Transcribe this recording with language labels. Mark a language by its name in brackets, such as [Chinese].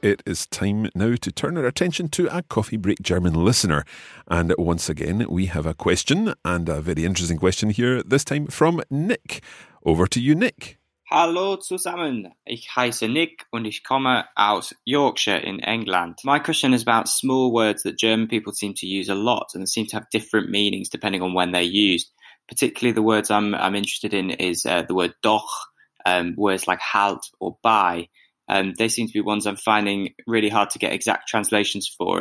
[English] It is time now to turn our attention to a Coffee Break German listener. And once again, we have a question, and a very interesting question here, this time from Nick. Over to you, Nick. [German] Hallo zusammen. Ich heiße Nick und ich komme aus Yorkshire in England. [English] My question is about small words that German people seem to use a lot and seem to have different meanings depending on when they're used. Particularly the words I'm interested in is the word doch, words like halt or bei. They seem to be ones I'm finding really hard to get exact translations for.